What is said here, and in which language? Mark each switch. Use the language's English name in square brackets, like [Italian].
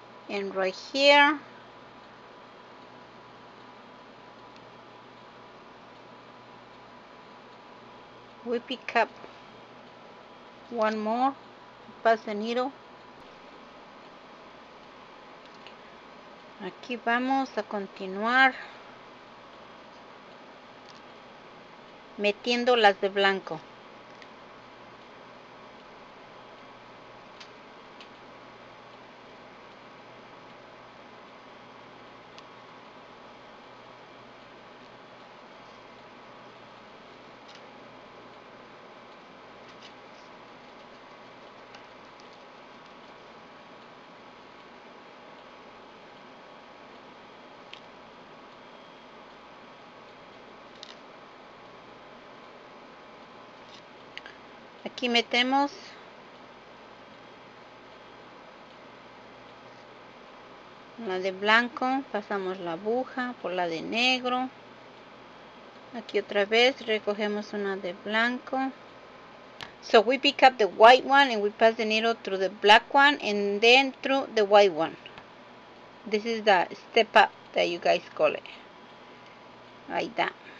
[English] And right here, we pick up one more, pass the needle. [Spanish] Aquí vamos a continuar metiendo las de blanco. Aquí metemos la de blanco, pasamos la aguja por la de negro. Aquí otra vez recogemos una de blanco. [English] So we pick up the white one and we pass the needle through the black one and then through the white one. This is the step up that you guys call it. Like that.